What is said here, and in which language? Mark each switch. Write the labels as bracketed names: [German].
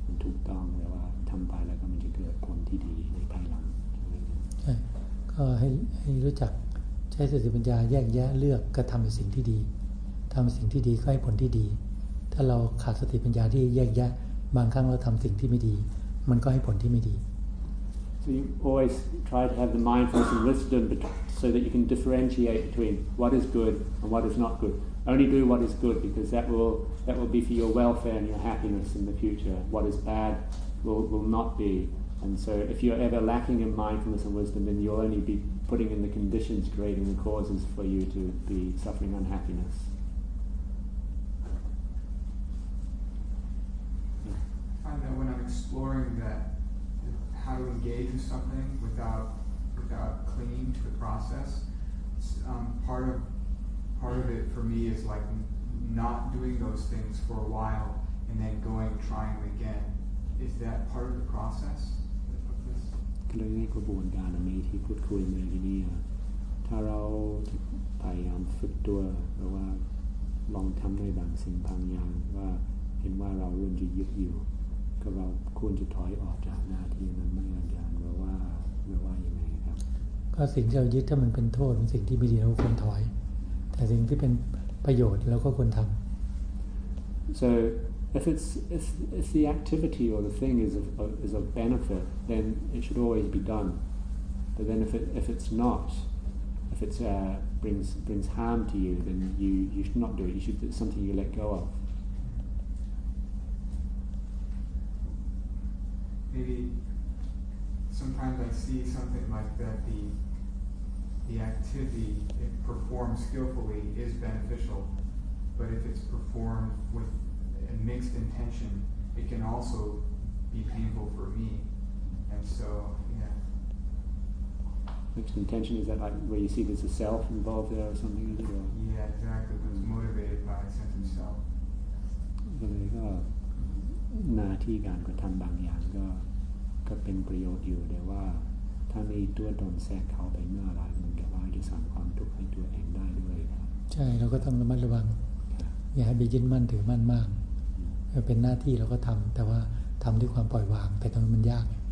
[Thai] ถูกต้องแล้วว่าทำไปแล้วก็มันจะเกิดผลที่ดีในภายหลัง ใช่ก็ให้รู้จักใช้สติปัญญาแยกแยะเลือกกระทำสิ่งที่ดีทำสิ่งที่ดีก็ให้ผลที่ดีถ้าเราขาดสติปัญญาที่แยกแยะบางครั้งเราทำสิ่งที่ไม่ดีมันก็ให้ผลที่ไม่ดี [English] So you always try to have the mindfulness and wisdom so that you can differentiate between what is good and what is not goodOnly do what is good because that will be for your welfare and your happiness in the future. What is bad will not be. And so if you're ever lacking in mindfulness and wisdom, then you'll only be putting in the conditions, creating the causes for you to be suffering unhappiness. I find that when I'm exploring how to engage in something without clinging to the process, part of it for me is like not doing those things for a while and then going trying again. Is that part of the process of this? [Thai] ก็เลยในกระบวนการนี้ที่พูดคุยมาที่นี่ถ้าเราพยายามฝึกตัวหรือว่าลองทำได้บางสิ่งบางอย่างว่าเห็นว่าเราเริ่มจะยึดอยู่ก็เราควรจะถอยออกจากหน้าที่นั้นไม่อาจารย์หรือว่าอย่างไรครับ ก็สิ่งที่เรายึดถ้ามันเป็นโทษเป็นสิ่งที่ไม่ดีเราควรถอยแต่สิ่งที่เป็นประโยชน์เราก็ควรทำ [English] So if it's if the activity or the thing is of benefit, then it should always be done. But then if it's not, if it brings harm to you, then you should not do it. It's something you let go of. Maybe sometimes I see something like that, the activity, if performed skillfully, is beneficial, but if it's performed with a mixed intention, it can also be painful for me. And so, yeah. Mixed intention, is that like where you see there's a self involved there or something? Or? Yeah, exactly, but it's motivated by a sense of self. There you go. [Thai] หน้าที่การกระทำบางอย่างก็เป็นประโยชน์อยู่แต่ว่าถ้ามีตัวตนแทรกเข้าไปเมื่อไรมันก็ว่าจะสร้างความทุกข์ให้ตัวเองได้ด้วยครับใช่เราก็ต้องระมัดระวังอย่าให้ไปยึดมั่นถือมั่นมากเป็นหน้าที่เราก็ทำแต่ว่าทำด้วยความปล่อยวางแต่ตรงนั้นมันยาก